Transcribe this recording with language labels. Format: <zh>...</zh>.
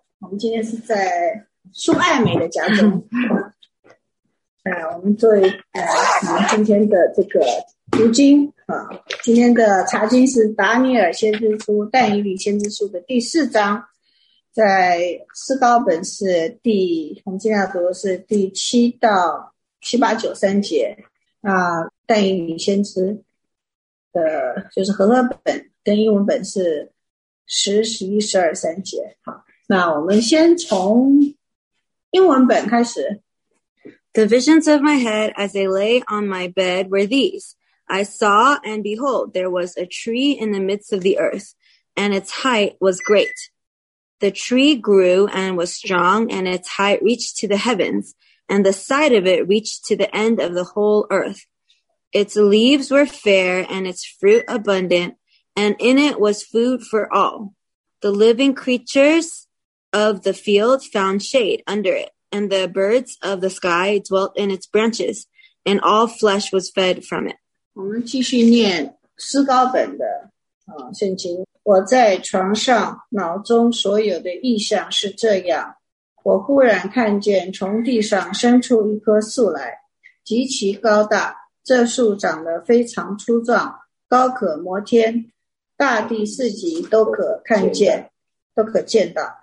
<zh>我们今天是在苏爱美的家中。我们作为今天的这个读经啊，今天的查经是达尼尔先知书，但以理先知书的第四章，在诗高本是第，我们今天要读的是第七到七八九三节啊，但以理先知的就是和合本跟英文本是十、十一、十二三节。好，那我们先从英文本开始。</zh> <en>The visions of my head as I lay on my bed were these. I saw, and behold, there was a tree in the midst of the earth, and its height was great. The tree grew and was strong, and its height reached to the heavens, and the side of it reached to the end of the whole earth. Its leaves were fair, and its fruit abundant, and in it was food for all. The living creatures of the field found shade under it. And the birds of the sky dwelt in its branches, and all flesh was fed from it.</en> <zh>我们继续念诗高本的圣经。我在床上，脑中所有的意象是这样。我忽然看见从地上生出一棵树来，极其高大。这树长得非常粗壮，高可摩天，大地四极都可看见，都可见到。</zh>